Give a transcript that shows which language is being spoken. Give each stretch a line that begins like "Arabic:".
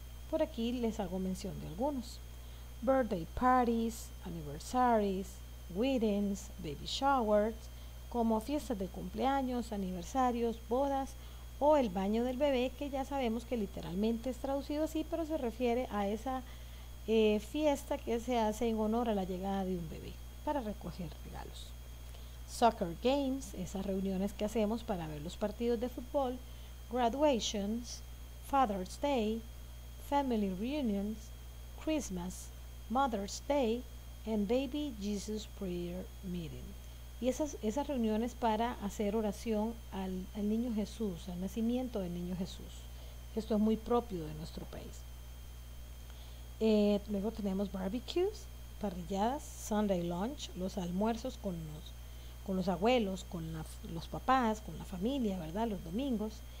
Spanish: Por aquí les hago mención de algunos: birthday parties, anniversaries, weddings, baby showers, como fiestas de cumpleaños, aniversarios, bodas o el baño del bebé, que ya sabemos que literalmente es traducido así, pero se refiere a esa fiesta que se hace en honor a la llegada de un bebé para recoger regalos. Soccer games, esas reuniones que hacemos para ver los partidos de fútbol.
English: Graduations, Father's Day, Family Reunions, Christmas, Mother's Day and Baby Jesus Prayer Meeting.
Spanish: Y esas reuniones para hacer oración al niño Jesús, al nacimiento del niño Jesús. Esto es muy propio de nuestro país. Luego tenemos barbecues, parrilladas, Sunday lunch, los almuerzos con los abuelos, con los papás, con la familia, ¿verdad? Los domingos.